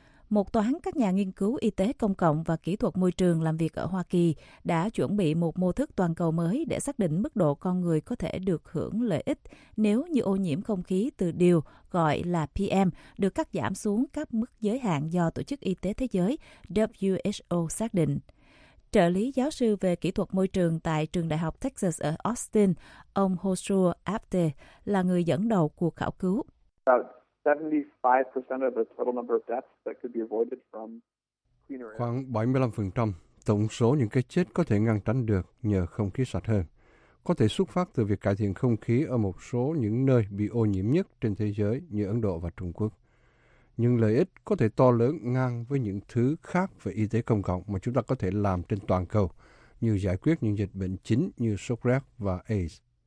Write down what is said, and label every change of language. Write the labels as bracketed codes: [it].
[vi] Một toán các nhà nghiên cứu y tế công cộng và kỹ thuật môi trường làm việc ở Hoa Kỳ đã chuẩn bị một mô thức toàn cầu mới để xác định mức độ con người có thể được hưởng lợi ích nếu như ô nhiễm không khí từ điều gọi là PM được cắt giảm xuống các mức giới hạn do Tổ chức Y tế Thế giới WHO xác định. Trợ lý giáo sư về kỹ thuật môi trường tại Trường Đại học Texas ở Austin, ông Joshua Apte, là người dẫn đầu cuộc khảo cứu. [en] 75% of the total number of deaths that could be avoided from cleaner air. [vi] Khoảng 75% tổng số những cái chết có thể ngăn tránh được nhờ không khí sạch hơn, có thể xuất phát từ việc cải thiện không khí ở một số những nơi bị ô nhiễm nhất trên thế giới như Ấn Độ và Trung Quốc. Nhưng lợi ích có thể to lớn ngang với những thứ khác về y tế công cộng mà chúng ta có thể làm trên toàn cầu, như giải quyết những dịch bệnh chính như sốt rét và AIDS.